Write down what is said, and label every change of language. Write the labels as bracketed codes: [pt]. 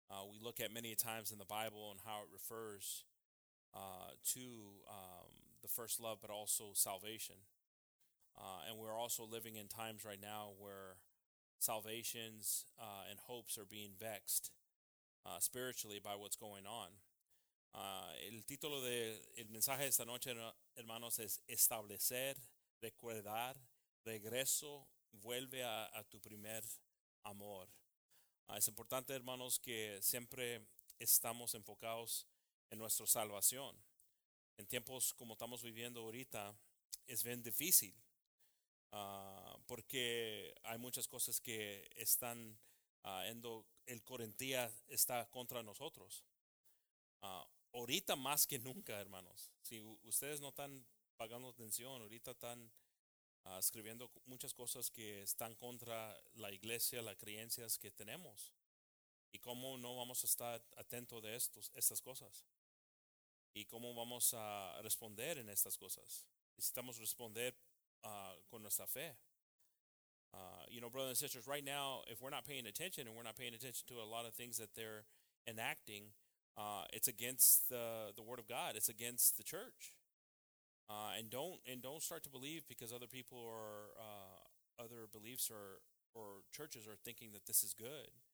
[en] We look at many times in the Bible and how it refers to the first love, but also salvation. And we're also living in times right now where salvations and hopes are being vexed spiritually by what's going on. [es] El título del mensaje esta noche, hermanos, es Establecer, Recordar, Regreso, Vuelve a tu Primer Amor. Es importante, hermanos, que siempre estamos enfocados en nuestra salvación. En tiempos como estamos viviendo ahorita, es bien difícil. Porque hay muchas cosas que están, el Corintia está contra nosotros. Ahorita más que nunca, hermanos. Si ustedes no están pagando atención, ahorita están escribiendo muchas cosas que están contra la iglesia, las creencias que tenemos. ¿Y cómo no vamos a estar atentos de estas cosas? ¿Y cómo vamos a responder en estas cosas? Necesitamos responder con nuestra fe. [en] You know, brothers and sisters, right now, if we're not paying attention and we're not paying attention to a lot of things that they're enacting, it's against the Word of God. It's against the church. And don't start to believe because other people or other beliefs or churches are thinking that this is good.